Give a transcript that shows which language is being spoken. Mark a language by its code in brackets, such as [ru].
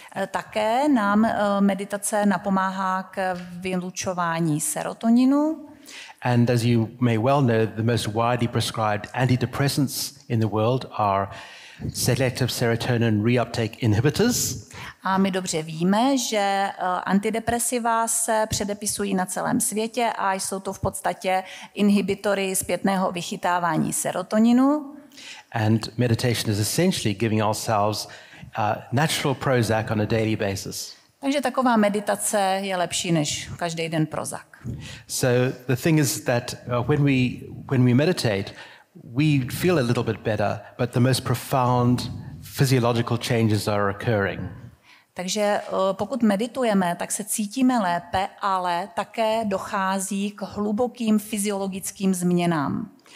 [cs] Také nám meditace napomáhá k vylučování serotoninu. [en] And as you may well know, the most widely prescribed antidepressants in the world are selective serotonin reuptake inhibitors. [cs] A my dobře víme, že antidepresiva se předepisují na celém světě a jsou to v podstatě inhibitory zpětného vychytávání serotoninu. [en] And meditation is essentially giving ourselves natural Prozac on a daily basis. [cs] Takže taková meditace je lepší než každý den Prozac. [en] So the thing is that when we meditate, we feel a little bit better, but the most profound physiological changes are occurring. [cs] Takže pokud meditujeme, tak se cítíme lépe, ale také dochází k hlubokým fyziologickým změnám.